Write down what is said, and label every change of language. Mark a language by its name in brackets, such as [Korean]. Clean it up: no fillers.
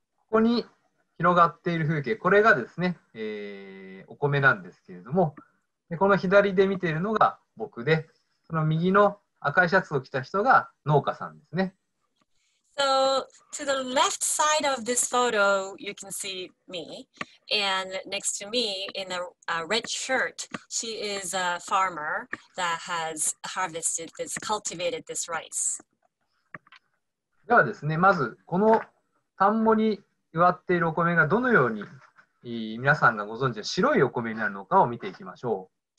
[Japanese] ここに広がっている風景、これがですね、お米なんですけれども、でこの左で見ているのが僕で、その右の赤いシャツを着た人が農家さんですね。 [English] So, to the left side of this photo, you can see me. And next to me, in a red shirt, she is a farmer that has harvested this, cultivated this rice. [Japanese] ではですね、まずこの田んぼに植わっているお米がどのように皆さんがご存知の白いお米になるのかを見ていきましょう。